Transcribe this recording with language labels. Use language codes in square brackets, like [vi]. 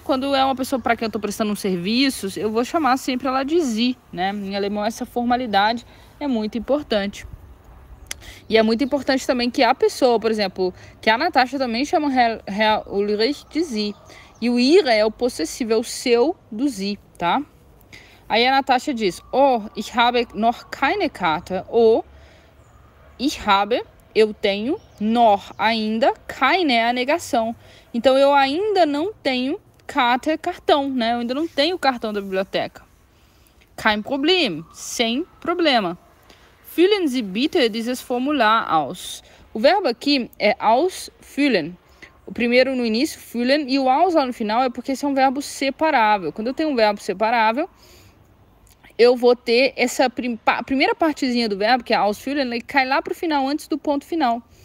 [pt] Quando é uma pessoa para quem eu tô prestando um serviço, eu vou chamar sempre ela de sie, né? Em alemão essa formalidade é muito importante. E é muito importante também que a pessoa, por exemplo, que a Natasha também chama Herr Ulrich de Sie. E o Ihre é o possessivo, é o seu do Sie, tá? Aí a Natasha diz: [de] Oh, ich habe noch keine Karte. Oh, ich habe, [pt] eu tenho, noch, ainda, keine é a negação. Então eu ainda não tenho Karte, cartão, né? Eu ainda não tenho cartão da biblioteca. [de] Kein Problem, [pt] sem problema. [de] Füllen Sie bitte dieses Formular aus. [pt] O verbo aqui é ausfüllen. O primeiro no início, füllen, e o aus lá no final é porque esse é um verbo separável. Quando eu tenho um verbo separável, eu vou ter essa primeira partezinha do verbo, que é ausfüllen, ele cai lá para o final, antes do ponto final.